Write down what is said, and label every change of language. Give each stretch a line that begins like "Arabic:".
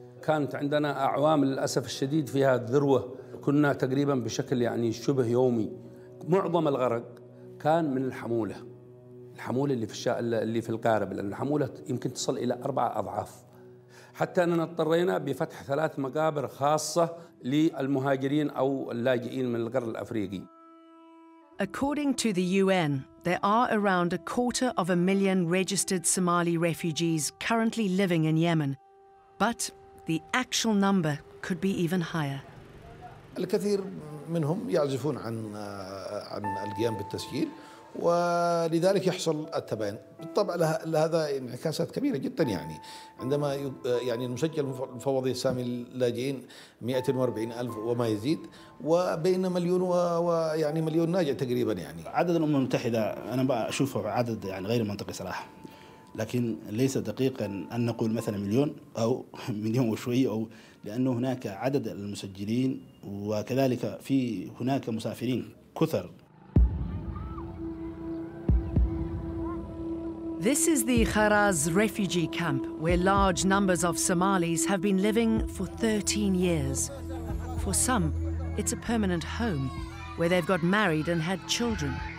Arabic: كانت عندنا أعوام للأسف الشديد فيها ذروة كنا تقريبا بشكل يعني شبه يومي معظم الغرق كان من الحمولة اللي في القارب لأن الحمولة يمكن تصل إلى 4 أضعاف حتى أننا اضطرينا بفتح 3 مقابر خاصة للمهاجرين أو اللاجئين من القرن الأفريقي.
English: According to the UN, there are around 250,000 registered Somali refugees currently living in Yemen, but the actual number could be even higher.
Arabic: الكثير منهم يعزفون عن القيام بالتسجيل ولذلك يحصل التباين بالطبع لهذا انعكاسات كبيره جدا يعني عندما يعني المسجل المفوضي سامي اللاجئين 140,000 وما يزيد وبين مليون ويعني مليون ناجع تقريبا يعني عدد الامم المتحده انا بشوفه عدد يعني غير منطقي صراحه لكن ليس دقيقا أن نقول مثلا مليون أو مليون وشوي أو لأنه هناك عدد المسجلين وكذلك في هناك مسافرين كثر.
English: This is the Kharaz refugee camp where large numbers of Somalis have been living for 13 years. For some, it's a permanent home where they've got married and had children.